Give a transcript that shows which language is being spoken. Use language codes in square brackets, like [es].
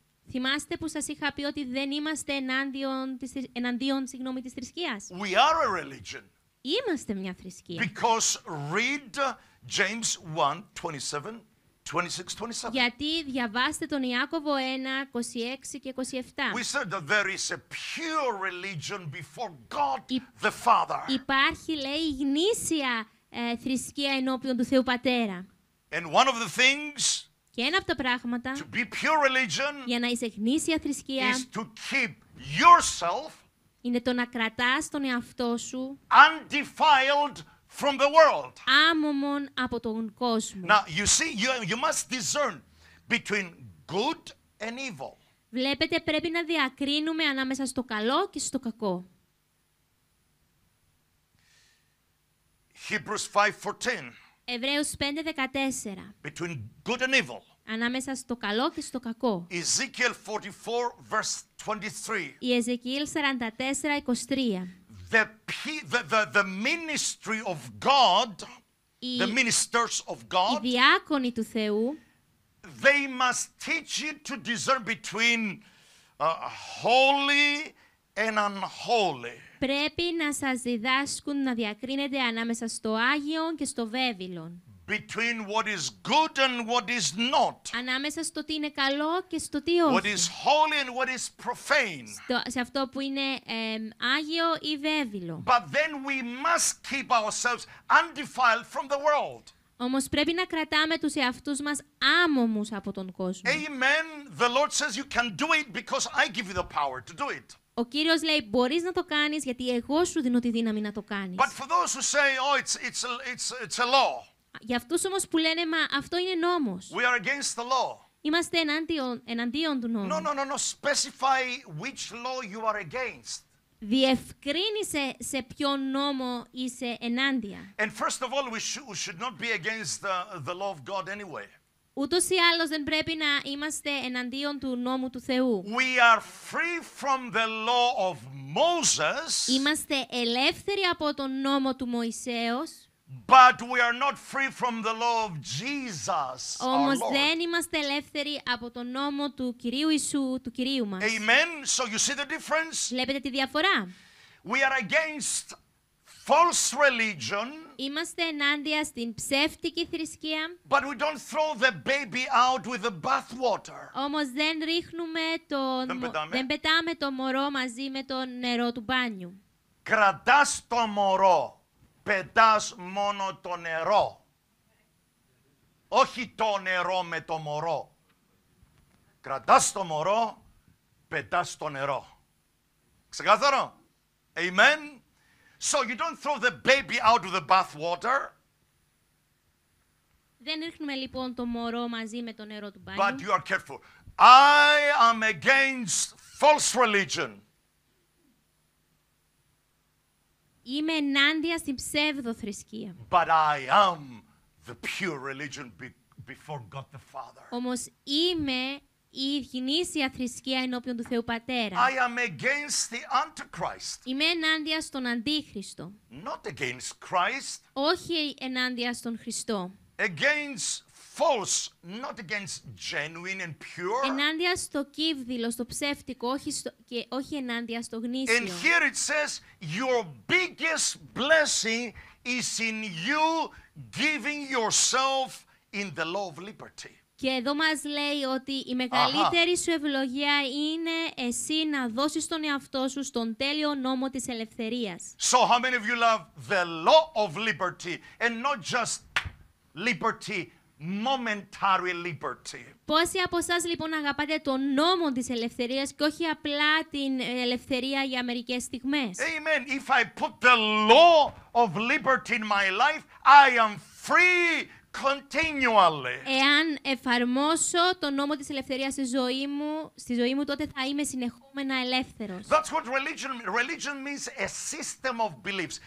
[el] Θυμάστε που σας είχα πει ότι δεν είμαστε εναντίον της θρησκείας. [en] We are a religion. [el] Είμαστε μια θρησκεία. [en] Because read James 1:27. 26, 27. [el] Γιατί διαβάστε τον Ιάκωβο 1:26 και 27. [en] We said that there is a pure religion before God the Father. [el] Υπάρχει, λέει, η γνήσια θρησκεία ενώπιον του Θεού Πατέρα. [en] And one of the things, [el] και ένα από τα πράγματα, [en] to be pure religion, [el] για να είσαι γνήσια θρησκεία, [en] is to keep yourself, [el] είναι το να κρατάς τον εαυτό σου, [en] undefiled from the world. [el] Άμωμον από τον κόσμο. [en] Now you see, you must discern between good and evil. [el] Βλέπετε, πρέπει να διακρίνουμε ανάμεσα στο καλό και στο κακό. [en] Hebrews 5:14. [el] Εβραίους 5:14. [en] Between good and evil. [el] Ανάμεσα στο καλό και στο κακό. [en] Ezekiel 44:23. Ezekiel 44:23. The ministry of God, the ministers of God, [el] οι διάκονοι του Θεού, [en] they must teach you to discern between holy and unholy. [el] Πρέπει να σας διδάσκουν να διακρίνετε ανάμεσα στο Άγιο και στο Βέβυλον. [en] Between what is good and what is not. [el] Ανάμεσα στο τι είναι καλό και στο τι όχι. [en] What is holy and what is profane. [el] Σε αυτό που είναι άγιο ή βέβυλο. [en] But then we must keep ourselves undefiled from the world. [el] Όμως πρέπει να κρατάμε τους εαυτούς μας άμωμους από τον κόσμο. [en] Amen. The Lord says you can do it because I give you the power to do it. [el] Ο Κύριος λέει, μπορείς να το κάνεις γιατί εγώ σου δίνω τη δύναμη να το κάνεις. [en] But for those who say, oh, it's a law. [el] Για αυτούς όμως που λένε, μα αυτό είναι νόμος. [en] We are against the law. [el] Είμαστε εναντίον του νόμου. [en] No. Specify which law you are against. [el] Διευκρίνησε σε ποιον νόμο είσαι ενάντια. [en] And first of all, we should not be against the law of God anyway. [el] Ούτως ή άλλως δεν πρέπει να είμαστε εναντίον του νόμου του Θεού. [en] We are free from the law of Moses. [el] Είμαστε ελεύθεροι από τον νόμο του Μωυσέως. [en] But we are not free from the law of Jesus, our Lord. [el] Όμως δεν είμαστε ελεύθεροι από τον νόμο του Κυρίου Ιησού, του Κυρίου μας. [en] Amen. So you see the difference? [el] Βλέπετε τη διαφορά? [en] We are against false religion. [el] Είμαστε ενάντια στην ψεύτικη θρησκεία. [en] But we don't throw the baby out with the bathwater. [el] Όμως δεν ρίχνουμε δεν πετάμε το μωρό μαζί με το νερό του μπάνιου. Κρατάς το μωρό. Πετάς μόνο το νερό, όχι το νερό με το μωρό. Κρατάς το μωρό, πετάς το νερό. Ξεκάθαρο? Amen. [en] So you don't throw the baby out of the bath water. [el] Δεν ρίχνουμε λοιπόν το μωρό μαζί με το νερό του μπάνιου. [en] But you are careful. I am against false religion. [el] Είμαι ενάντια στην ψεύδο θρησκεία. [en] But I am the pure religion before God the Father. [el] Όμως είμαι η γνήσια θρησκεία ενώπιον του Θεού Πατέρα. [en] I am against the Antichrist. [el] Είμαι ενάντια στον Αντίχριστο. [en] Not against Christ. [el] Όχι ενάντια στον Χριστό. [en] Against false, not against genuine and pure. [el] Ενάντια στο κύβδηλο, στο ψεύτικο, και όχι ενάντια στο γνήσιο. [en] And here it says, your biggest blessing is in you giving yourself in the law of liberty. [el] Και εδώ μας λέει ότι η μεγαλύτερη σου ευλογία είναι εσύ να δώσεις τον εαυτό σου στον τέλειο νόμο της ελευθερίας. [en] So how many of you love the law of liberty and not just liberty? momentary liberty. [el] Πόσοι από εσάς λοιπόν αγαπάτε τον νόμο της ελευθερίας και όχι απλά την ελευθερία για μερικές στιγμές. [en] Amen. If I put the law of liberty in my life, I am free. Continually. [el] Εάν εφαρμόσω τον νόμο της ελευθερίας στη ζωή μου, τότε θα είμαι συνεχόμενα ελεύθερος. [en] That's what religion means, a system of beliefs.